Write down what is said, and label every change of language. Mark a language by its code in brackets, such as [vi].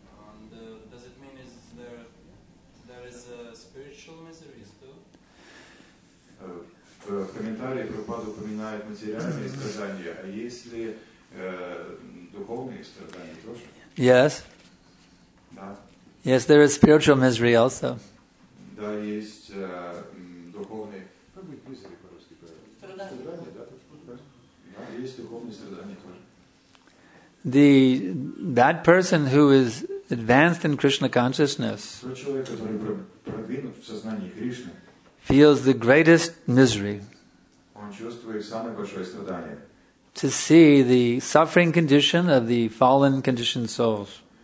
[en] And does it mean is there is a spiritual miseries too? [ru] В комментарии Прабхупада упоминает материальные страдания. А есть ли духовные страдания тоже? [en] Yes. [ru] Да. [en] Yes, there is spiritual misery also. [ru] Да, есть духовные. Как быть мизери по-русски? Страдания, да, да, есть духовные страдания тоже. [en] The that person who is advanced in Krishna consciousness. [ru] Тот человек, который продвинут в сознании Кришны. [en] Feels the greatest misery to see the suffering condition of the fallen conditioned souls.